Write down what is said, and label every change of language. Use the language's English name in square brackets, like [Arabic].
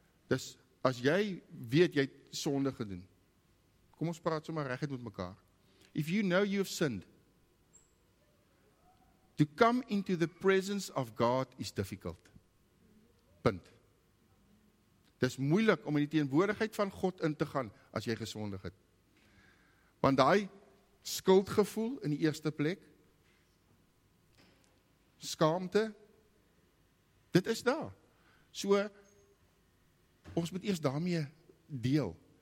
[Afrikaans] Dus as jy weet, jy het sonde gedoen, kom ons praat sommer reguit met mekaar. [English] If you know you have sinned, to come into the presence of God is difficult. [Afrikaans] Punt. Dis moeilik om in die teenwoordigheid van God in te gaan, as jy gesondig het. Want daai skuldgevoel in die eerste plek, skaamte, dit is daar. So, ons moet eerst daarmee deel.